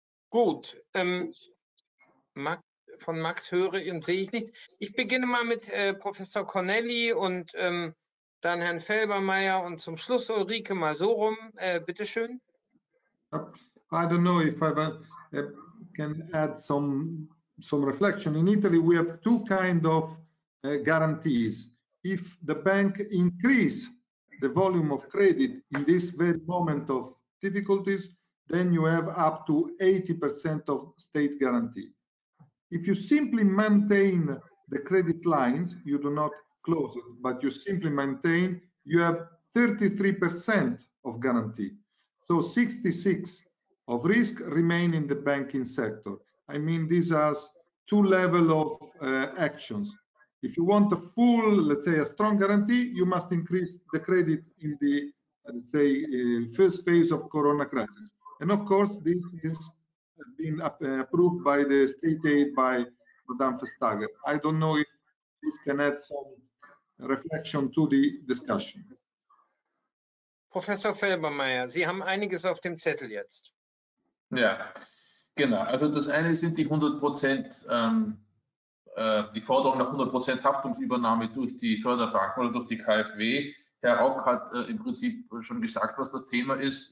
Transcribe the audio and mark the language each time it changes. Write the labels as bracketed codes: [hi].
[de] Gut. Von Max höre und sehe ich nichts. Ich beginne mal mit Professor Cornelli und dann Herrn Felbermeier und zum Schluss Ulrike mal so rum. Bitte schön. [en] I don't know if I can add some reflection. In Italy we have two kind of guarantees. If the bank increase the volume of credit in this very moment of difficulties, then you have up to 80% of state guarantee. If you simply maintain the credit lines, you do not close it, but you simply maintain, you have 33% of guarantee. So 66 of risk remain in the banking sector. I mean, this has two levels of actions. If you want a full, let's say, a strong guarantee, you must increase the credit in the, let's say, first phase of Corona crisis. And of course, this has been approved by the state aid by Madame Vestager. I don't know if this can add some reflection to the discussion. [de] Professor Felbermayr, Sie haben einiges auf dem Zettel jetzt. Ja, genau. Also das eine sind die 100%, die Forderung nach 100% Haftungsübernahme durch die Förderbank oder durch die KfW. Herr Rock hat im Prinzip schon gesagt, was das Thema ist.